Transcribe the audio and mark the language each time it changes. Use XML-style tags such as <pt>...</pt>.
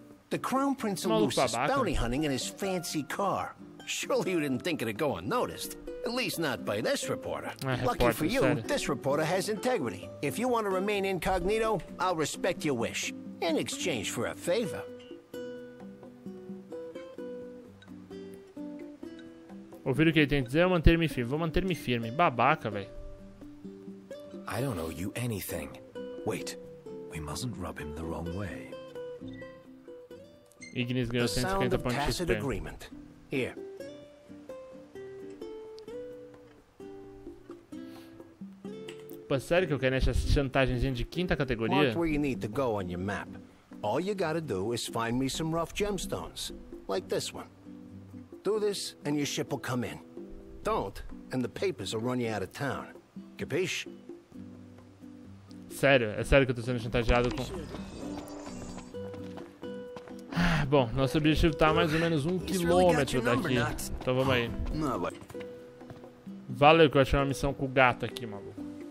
<en>The Crown Prince of Lucis bounty hunting in his fancy car. Surely you didn't think it'd go unnoticed. At least not by this reporter. Lucky for you, this reporter has integrity. If you want to remain incognito, I'll respect your wish. In exchange for a favor.</en> <pt>Ouvir o que ele tem que dizer, manter-me firme. Vou manter-me firme. Babaca, velho.</pt> <en>I don't owe you anything. Wait. We mustn't rub him the wrong way.</en> <pt>Ignis ganhou 150 pontos de XP.</pt> <en>Agreement. Here.</en> <pt>Pô, sério que eu quero essa chantagemzinha de quinta categoria?</pt> <en>Mark where you need to go on your map. All you gotta do is find me some rough gemstones. Like this one. Do this and your ship will come in. Don't, and the papers will run you out of town. Capiche?</en> <pt>Sério, é sério que eu tô sendo chantageado com... Ah, bom, nosso objetivo tá a mais ou menos um quilômetro daqui. Então vamos aí. Valeu que eu achei uma missão com o gato aqui, maluco.</pt>